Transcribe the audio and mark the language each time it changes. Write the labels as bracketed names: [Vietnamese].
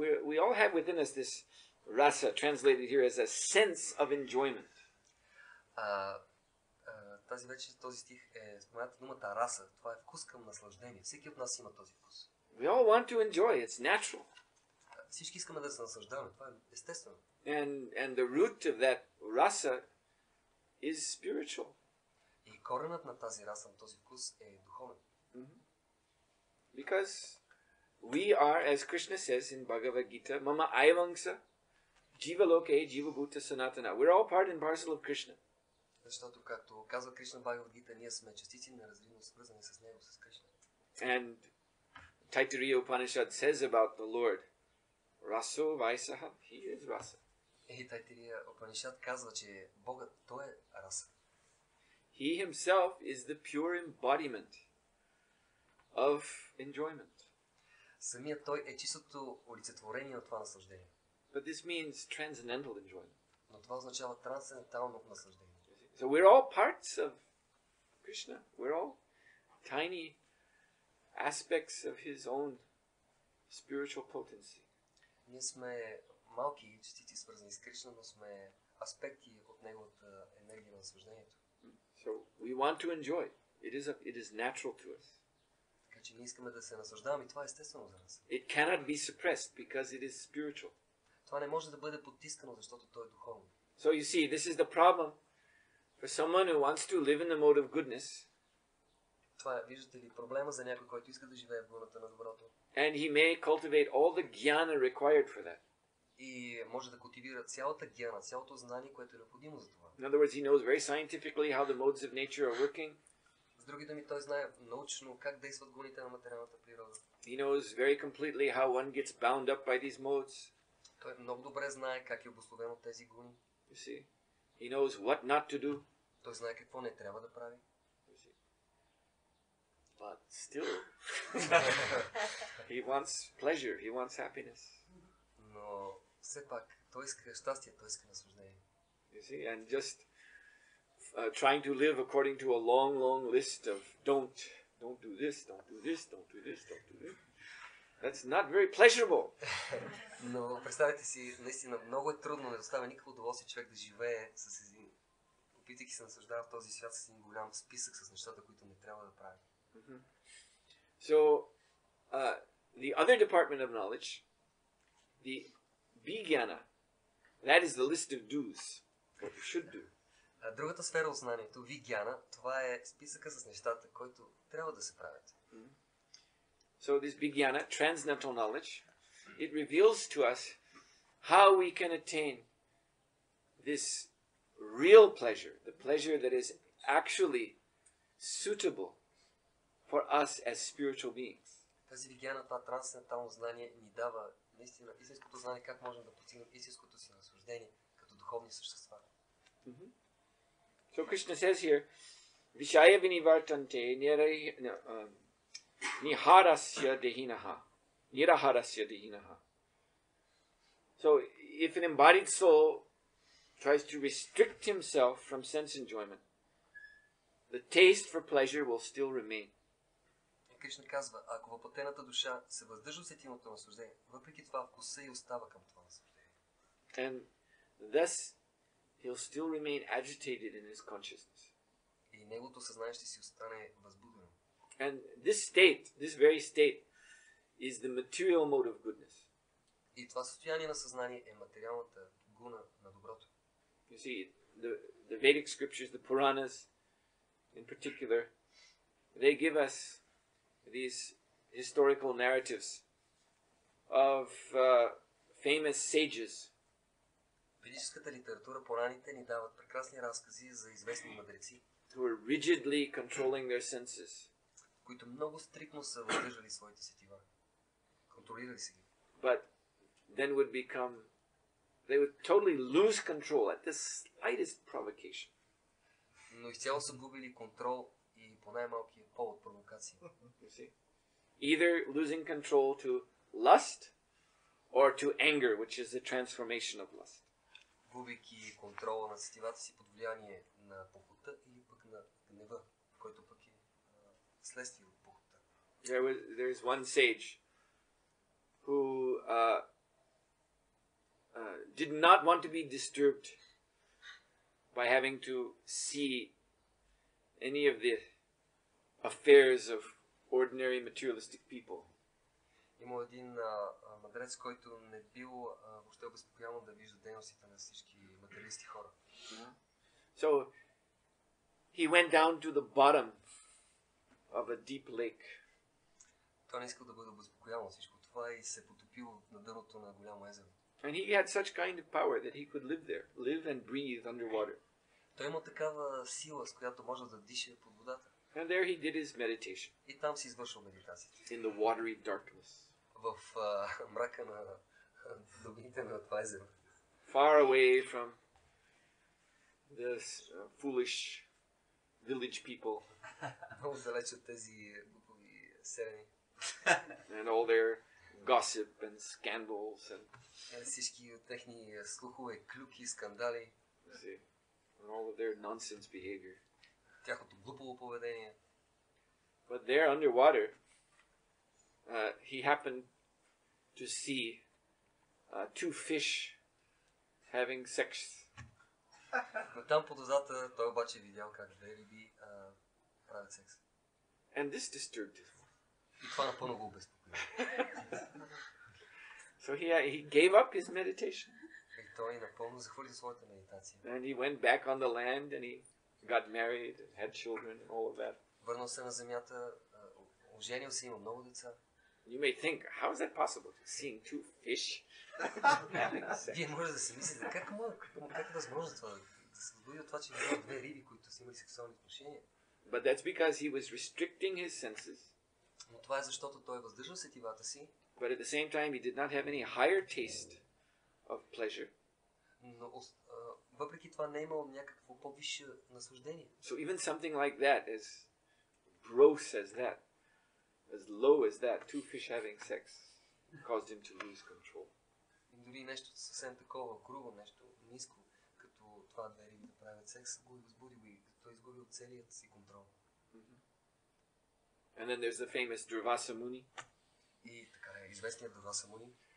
[English] We all have within us this rasa, translated here as a sense of enjoyment. [Bulgarian] Тази вече този стих е спомената думата раса. Това е вкус към наслаждение. Всеки от нас има този вкус. [English] We all want to enjoy. It's natural. [Bulgarian] Всички искаме да се наслаждаваме. Това е естествено. [English] And the root of that rasa is spiritual. [Bulgarian] И коренът на тази раса, на този вкус е духовен. [English] Mm-hmm. Because we are, as Krishna says in Bhagavad Gita, [Sanskrit] mama ayavangsa, jiva loke, jiva bhuta sanatana. [English] We're all part and parcel of Krishna. [Bulgarian] Защото, както казва Кришна Бхагавад Гита, ние сме частици неразривно свързани с Него, с Кришна. [English] And Taittiriya Upanishad says about the Lord, [Sanskrit] Raso Vaisaha, [English] He is Rasa. [Bulgarian] И Taittiriya Upanishad казва, че Богът, Той е Раса. [English] He Himself is the pure embodiment of enjoyment. [Bulgarian] Самият Той е чистото олицетворение от това наслаждение. [English] But this means transcendental enjoyment. [Bulgarian] Но това означава трансцендентално наслаждение. [English] So we're all parts of Krishna. We're all tiny aspects of His own spiritual potency. [Bulgarian] Ние сме малки частици, свързани с Кришна, но сме аспекти от Неговата енергия на наслаждението. [English] So we want to enjoy. It is natural to us. [Bulgarian] Така Така че ние искаме да се наслаждаваме и това е естествено за нас. [English] It cannot be suppressed because it is spiritual. [Bulgarian] Това не може да бъде потискано, защото то е духовно. [English] So you see, this is the problem for someone who wants to live in the mode of goodness. [Bulgarian] Това е, виждате ли, проблема за някой, който иска да живее в гуната на доброто. [English] And he may cultivate all the gyana required for that. [Bulgarian] И може да култивира цялата гиана, цялото знание, което е необходимо за това. [English] In other words, he knows very scientifically how the modes of nature are working. [Bulgarian] С други думи, той знае научно как действат гуните на материалната природа. [English] He knows very completely how one gets bound up by these modes. [Bulgarian] Той много добре знае как е обусловен от тези гуни. [English] You see? He knows what not to do. [Bulgarian] Той знае какво не трябва да прави. [English] You see? But still, he wants pleasure, he wants happiness. [Bulgarian] Но все пак, той иска щастие, той иска наслаждение. [English] You see? And just trying to live according to a long, long list of don't do this, don't do this, don't do this, don't do this. That's not very pleasurable. [Bulgarian] Но представете си, наистина много е трудно, не доставя никакво удоволствие човек да живее с един, опитайки се наслаждава в този свят с един голям списък с нещата, които не трябва да прави. Mm-hmm. [English] So, the other department of knowledge, the vijnana, that is the list of do's, what you should do. [Bulgarian] Другата сфера от знанието, vijnana, това е списъка с нещата, които трябва да се правят. [English] So this vijnana, transcendental knowledge, it reveals to us how we can attain this real pleasure, the pleasure that is actually suitable for us as spiritual beings. [Bulgarian] Тази vijnana, това трансцендентално знание ни дава наистина истинското знание как можем да постигнем истинското си наслаждение като духовни същества. [English] So Krishna says here, [Sanskrit] Vishaya vinivartante niharasya dehinaha. Niraharasya dehinaha. [English] So if an embodied soul tries to restrict himself from sense enjoyment, the taste for pleasure will still remain. [Bulgarian] Кришна казва, ако въплътената душа се въздържа от сетимото наслаждение, въпреки това вкуса и остава към това наслаждение. [English] And thus he'll still remain agitated in his consciousness. [Bulgarian] И неговото съзнание ще си остане възбудено. [English] And this state, this very state, is the material mode of goodness. [Bulgarian] И това състояние на съзнание е материалната гуна на доброто. [English] You see, the Vedic scriptures, the Puranas in particular, they give us these historical narratives of famous sages. [Bulgarian] Ведическата литература, пораните ни дават прекрасни разкази за известни мъдреци, [English] who are rigidly controlling their senses. [Bulgarian] Които много стриктно са въздържали своите сетива. Контролирали си ги. [English] But then would become, they would totally lose control at the slightest provocation. [Bulgarian] Но изцяло са губили контрол и по най-малкия повод провокация. [English] Either losing control to lust or to anger, which is the transformation of lust. [Bulgarian] Губейки контрола на сетивата си под влияние на похота или пък на гнева, който пък е следствие от похота. [English] There is one sage who did not want to be disturbed by having to see any of the affairs of ordinary materialistic people. [Bulgarian] Има един мъдрец, който не бил въобще обезпокоен да вижда дейностите на всички материалисти хора. [English] So he went down to the bottom of a deep lake. [Bulgarian] Той не искал да бъде обезпокоен от всичко това и се потопил на дъното на голямо езеро. [English] And he had such kind of power that he could live there, live and breathe underwater. [Bulgarian] Той има такава сила, с която може да диша под водата. [English] And there he did his meditation. [Bulgarian] И там си извършил медитацията. [English] In the watery darkness. [Bulgarian] В мрака на дълбините на това езеро. [English] Far away from this foolish village people. [Bulgarian] Много далеч от тези глупави селяни. [English] And all their gossip and scandals and [Bulgarian] всички от техни слухове, клюки, скандали. [English] And all of their nonsense behavior. [Bulgarian] Тяхното глупово поведение. [English] But there underwater, he happened to see two fish having sex. [Bulgarian] Но там под водата той обаче видял как две риби правят секс. [English] And this disturbed him. [Bulgarian] И това напълно го обезпокои. [English] So he gave up his meditation. [Bulgarian] И той напълно захвърли своята медитация. [English] And he went back on the land and he got married and had children and all of that. [Bulgarian] Върнал се на земята, оженил се, има много деца. [English] You may think, how is that possible? Seeing two fish? [Bulgarian] Вие може да се мислите, как е възможно това? Да се добуди от това, че има две риби, които са имали сексуални отношения. [English] But that's because he was restricting his senses. [Bulgarian] Но това е защото той въздържал сетивата си. [English] But at the same time, he did not have any higher taste of pleasure. [Bulgarian] Но въпреки това не е имал някакво по-висше наслаждение. [English] So even something like that, as gross as that, as low as that, two fish having sex, caused him to lose control. [Bulgarian] Дори нещо съвсем такова, грубо нещо, ниско, като това две риби да правят секс, го избудил и той изгубил целият си контрол. [English] And then there's the famous Durvasa Muni. [Bulgarian] И така е, известният Durvasa Muni.